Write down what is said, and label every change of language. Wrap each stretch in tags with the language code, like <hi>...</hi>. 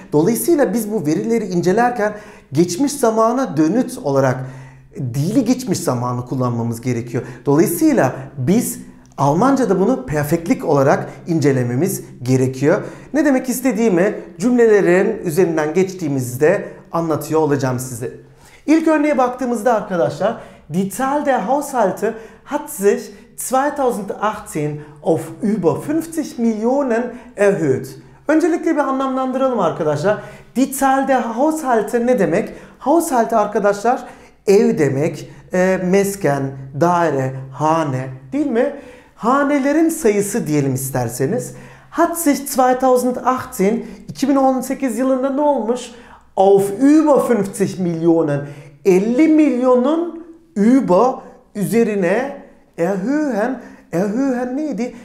<tr>Dolayısıyla biz bu verileri incelerken geçmiş zamana dönüt olarak dili geçmiş zamanı kullanmamız gerekiyor. Dolayısıyla biz Almanca'da bunu perfektlik olarak incelememiz gerekiyor. Ne demek istediğimi cümlelerin üzerinden geçtiğimizde anlatıyor olacağım size. İlk örneğe baktığımızda arkadaşlar,</tr> <de>die Zahl der Haushalte hat sich 2018 auf über 50 Millionen erhöht.</de> <tr>Öncelikle bir anlamlandıralım arkadaşlar.</tr> <de>Die Zahl der Haushalte</de> <tr>ne demek? Haushalte arkadaşlar ev demek, mesken, daire, hane, değil mi? Hanelerin sayısı diyelim isterseniz.</tr> <de>Hat sich</de> <tr>2018, 2018 yılında ne olmuş?</tr> <de>Auf über 50 Millionen,</de> <tr>50 milyonun über, üzerine, erhöhen neydi?</tr>